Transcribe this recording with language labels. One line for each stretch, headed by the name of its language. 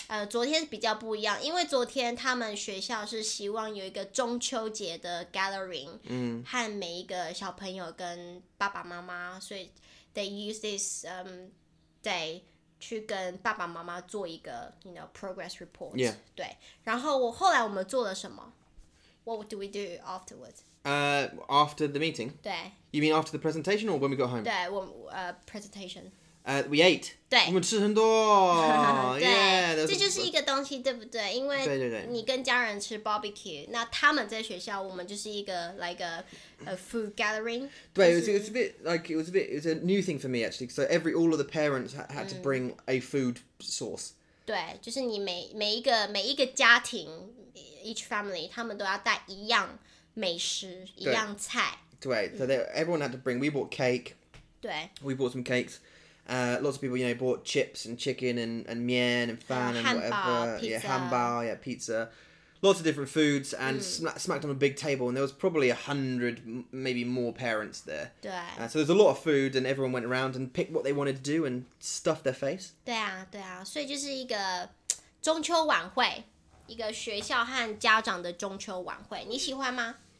Chinese: 昨天比较不一样因为昨天他们学校是希望有一个中秋节的 gathering 和每一个小朋友跟爸爸妈妈所以
English: they use this day
Chinese: 去跟爸爸妈妈做一个
English: you know progress report、 yeah.
Chinese: 对然后后来我们做了什么
English: what do we do afterwards after the meeting
Chinese: 对
English: You mean after the presentation or when we got home?
Chinese: 对，我presentation.
English: We ate.
Chinese: 对，我们吃很多。对，这就是一个东西，对不对？因为你跟家人吃 barbecue， 那他们在学校，我们就是一个
English: like a food gathering. 对 it was a new thing for me actually. So all of the parents had to bring a food source.
Chinese: 对，就是你每一个家庭
English: each family，
Chinese: 他们都要带一样美食，一样菜。
English: 对 so everyone had to bring, we bought cake,
Chinese: 对
English: we bought some cakes, lots of people, you know, bought chips and chicken and mian and fan and whatever, pizza. Yeah, hambao, yeah, pizza, lots of different foods and smacked on a big table and there was probably 100, maybe more parents there.
Chinese: 对
English: so there's a lot of food and everyone went around and picked what they wanted to do and stuffed their face.
Chinese: 对啊对啊所以就是一个中秋晚会一个学校和家长的中秋晚会你喜欢吗